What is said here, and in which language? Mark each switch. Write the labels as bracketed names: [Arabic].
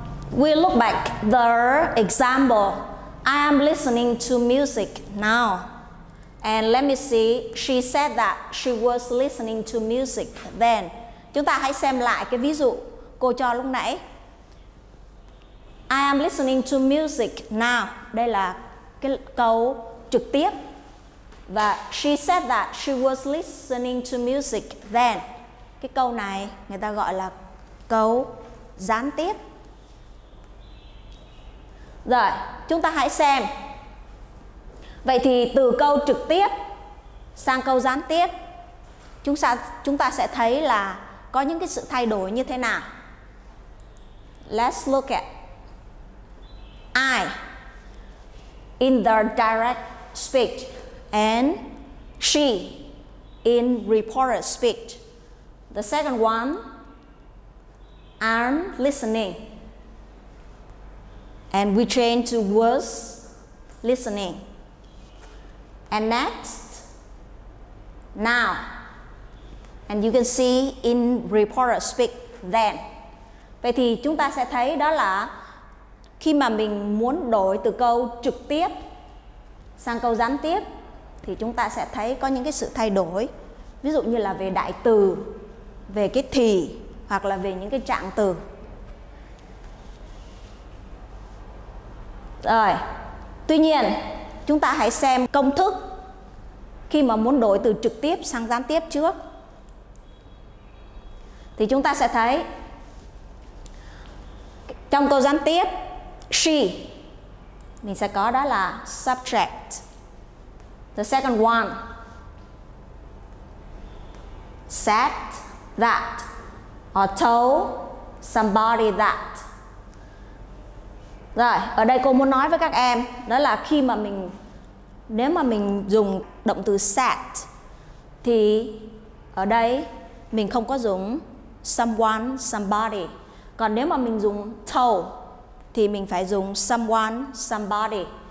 [English] We look back the example. I am listening to music now. And let me see, she said that she was listening to music then. [Vietnamese] Chúng ta hãy xem lại cái ví dụ cô cho lúc nãy. [English] I am listening to music now. [Vietnamese] Đây là cái câu trực tiếp. Và [English] she said that she was listening to music then. [Vietnamese] Cái câu này người ta gọi là câu gián tiếp. Rồi, chúng ta hãy xem. Vậy thì từ câu trực tiếp sang câu gián tiếp, chúng ta sẽ thấy là có những cái sự thay đổi như thế nào. [English] Let's look at I in the direct speech and she in reported speech. The second one, I'm listening. And we change to was listening. And next, now. And you can see in reported speak then. [Vietnamese] Vậy thì chúng ta sẽ thấy đó là khi mà mình muốn đổi từ câu trực tiếp sang câu gián tiếp thì chúng ta sẽ thấy có những cái sự thay đổi. Ví dụ như là về đại từ, về cái thì hoặc là về những cái trạng từ. Rồi, tuy nhiên chúng ta hãy xem công thức khi mà muốn đổi từ trực tiếp sang gián tiếp trước. Thì chúng ta sẽ thấy trong câu gián tiếp, she, mình sẽ có đó là subject. [English] The second one, said that or told somebody that. [Vietnamese] Rồi, ở đây cô muốn nói với các em đó là khi mà mình, nếu mà mình dùng động từ said thì ở đây mình không có dùng someone, somebody. Còn nếu mà mình dùng told thì mình phải dùng someone, somebody.